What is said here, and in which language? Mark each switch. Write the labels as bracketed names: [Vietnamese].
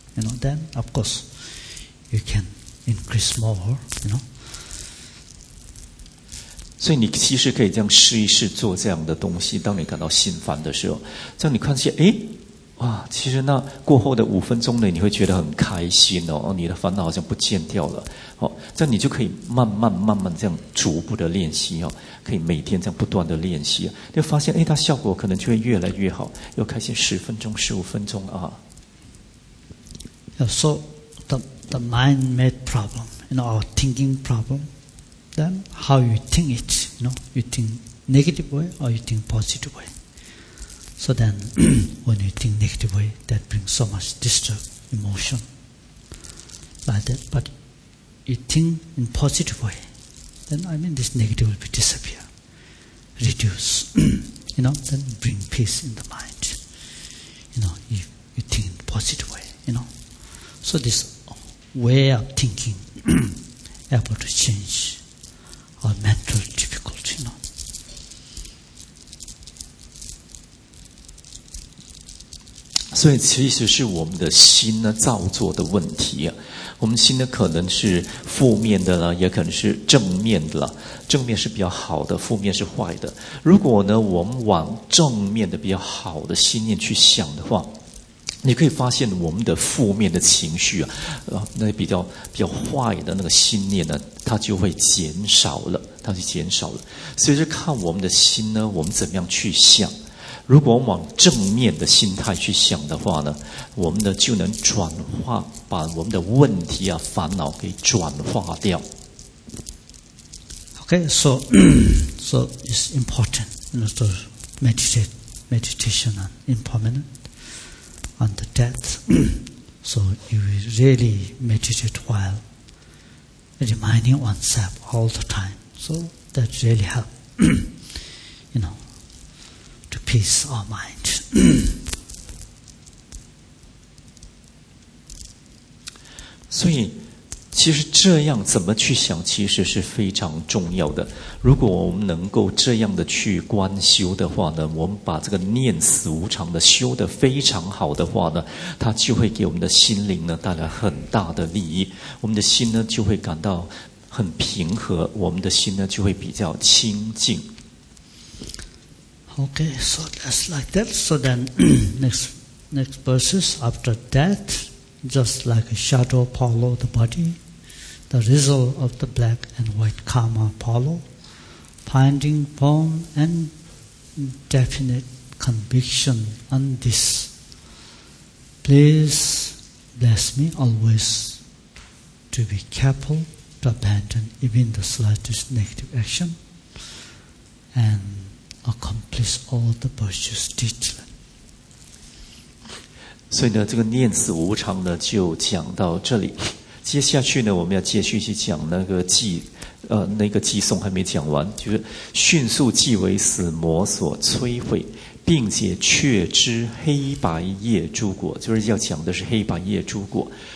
[English] You know, then of course you can increase more. You know, [Chinese] 所以你其实可以这样试一试做这样的东西。当你感到心烦的时候，这样你看一下，其实那过后的5分钟内，你会觉得很开心哦，你的烦恼好像不见掉了。好，这样你就可以慢慢这样逐步的练习哦，可以每天这样不断的练习，就发现它效果可能就会越来越好，又开心10分钟、15分钟啊。 [English] So the mind made problem, you know, our thinking problem. Then how you think it, you know, you think negative way or you think positive way. So then, when you think negative way, that brings so much disturbed emotion like that. But you think in positive way, then I mean this negative will be disappear, reduce, you know, then bring peace in the mind. You know, if you think in positive way, you know. So this way of thinking able to change our mental difficulty, you know. [Chinese] 所以其实是我们的心呢造作的问题啊，我们心呢可能是负面的了，也可能是正面的了，正面是比较好的，负面是坏的。如果呢我们往正面的比较好的心念去想的话，你可以发现我们的负面的情绪啊，那比较坏的那个心念呢，它就会减少了，它就减少了。所以就看我们的心呢，我们怎么样去想。如果我们往正面的心态去想的话呢，我们的就能转化，把我们的问题啊烦恼给转化掉。 [English] Okay, so it's important, you know, to meditation on impermanent, on the death. So you really meditate while reminding oneself all the time. So that really helps, you know. To peace our mind. [Chinese] 所以，其实这样怎么去想，其实是非常重要的。如果我们能够这样的去观修的话呢，我们把这个念死无常的修得非常好的话呢，它就会给我们的心灵呢带来很大的利益。我们的心呢就会感到很平和，我们的心呢就会比较清净。 [English] Okay, so that's like that. So then, next verses after that, just like a shadow follow the body, the result of the black and white karma follow, finding firm and definite conviction on this. Please bless me always to be careful to abandon even the slightest negative action and accomplish all the virtues teach them. [Chinese] 所以呢，这个念死无常呢，就讲到这里。接下去呢，我们要接续去讲那个寄送还没讲完，就是迅速即为死魔所摧毁，并且确知黑白业诸果，就是要讲的是黑白业诸果。